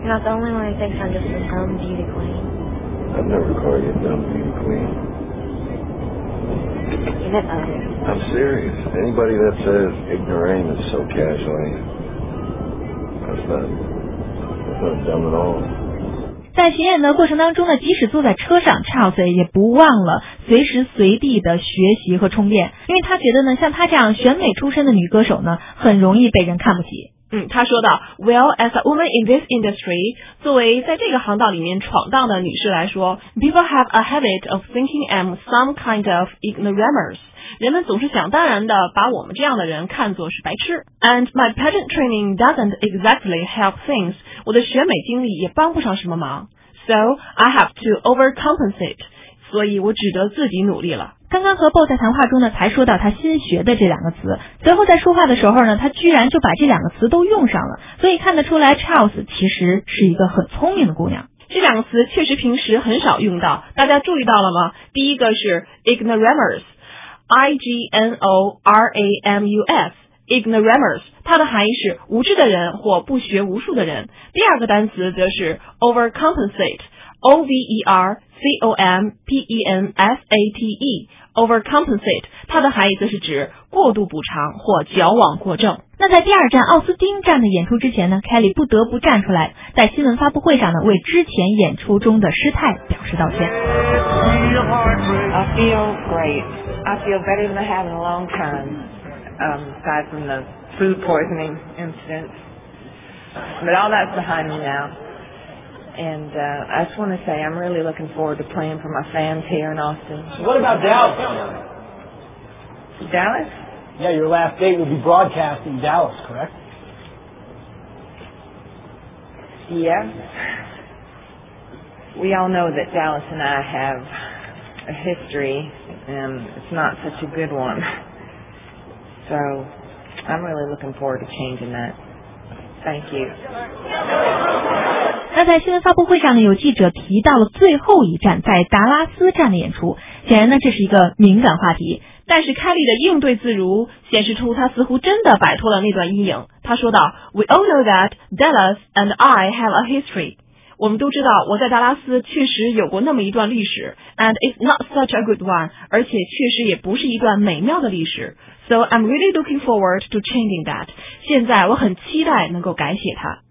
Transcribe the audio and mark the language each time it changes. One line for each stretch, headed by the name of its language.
English: You're not the only one who thinks I'm just a dumb beauty queen. I've never called you a dumb beauty queen. You meant ugly. I'm serious. Anybody that says ignoramus so casually, that's not dumb at all.
Chinese: 在巡演的过程当中呢，即使坐在车上 ，Charles 也不忘了随时随地的学习和充电，因为他觉得呢，像他这样选美出身的女歌手呢，很容易被人看不起。他说道
English: ，Well, as a woman in this industry,
Chinese: 作为在这个行道里面闯荡的女士来说
English: ，people have a habit of thinking I'm some kind of ignoramus.
Chinese: 人们总是想当然的把我们这样的人看作是白痴。
English: And my pageant training doesn't exactly help things.
Chinese: 我的选美经历也帮不上什么忙。
English: So I have to overcompensate.
Chinese: 所以我只得自己努力了。刚刚和 Beau 在谈话中呢，才说到他新学的这两个词。随后在说话的时候呢，他居然就把这两个词都用上了。所以看得出来 ，Charles 其实是一个很聪明的姑娘。这两个词确实平时很少用到，大家注意到了吗？第一个是 ignoramus。I-G-N-O-R-A-M-U-S Ignoramus 它的含义是无知的人或不学无术的人第二个单词则是 Overcompensate O-V-E-R-C-O-M-P-E-N-S-A-T-E Overcompensate 它的含义则是指过度补偿或矫枉过正那在第二站奥斯汀站的演出之前呢 Kelly 不得不站出来在新闻发布会上呢为之前演出中的失态表示道歉
English: I feel greatI feel better than I have in a long time, aside from the food poisoning incident. But all that's behind me now. And, I just want to say I'm really looking forward to playing for my fans here in Austin. What about Dallas? Dallas? Yeah, your last date will be broadcast in Dallas, correct? Yeah. We all know that Dallas and I have a history. And it's not such a good one. So I'm really looking forward to changing that. Thank you.
Chinese: 那在新闻发布会上呢，有记者提到了最后一站在达拉斯站的演出，显然呢这是一个敏感话题。但是凯莉的应对自如，显示出她似乎真的摆脱了那段阴影。她说道
English: ：“We all know that Dallas and I have a history.”
Chinese: 我们都知道我在达拉斯确实有过那么一段历史
English: and it's not such a good one
Chinese: 而且确实也不是一段美妙的历史
English: so I'm really looking forward to changing that
Chinese: 现在我很期待能够改写它